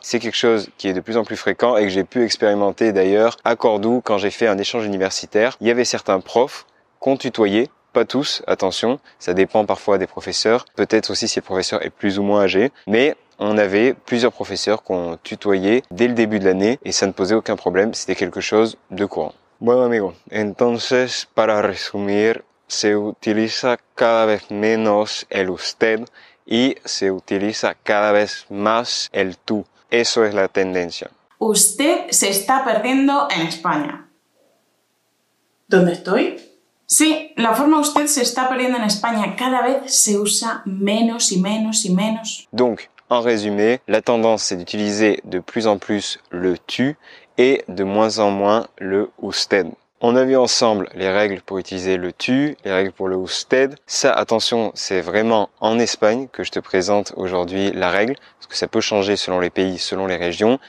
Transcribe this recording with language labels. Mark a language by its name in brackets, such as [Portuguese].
[French] C'est quelque chose qui est de plus en plus fréquent et que j'ai pu expérimenter d'ailleurs à Cordoue quand j'ai fait un échange universitaire. Il y avait certains profs qu'on tutoyait, pas tous, attention, ça dépend parfois des professeurs, peut-être aussi si le professeur est plus ou moins âgé, mais on avait plusieurs professeurs qu'on tutoyait dès le début de l'année et ça ne posait aucun problème, c'était quelque chose de courant. [Spanish] Bueno amigo, entonces para resumir, se utiliza cada vez menos el usted y se utiliza cada vez más el tú. Eso es la tendencia. Usted se está perdiendo en España. ¿Dónde estoy? Sí, la forma usted se está perdiendo en España cada vez se usa menos y menos y menos. [French] Donc, en résumé, la tendance c'est d'utiliser de plus en plus le tú et de moins en moins le usted. On a vu ensemble les règles pour utiliser le tu, les règles pour le usted. Ça, attention, c'est vraiment en Espagne que je te présente aujourd'hui la règle, parce que ça peut changer selon les pays, selon les régions.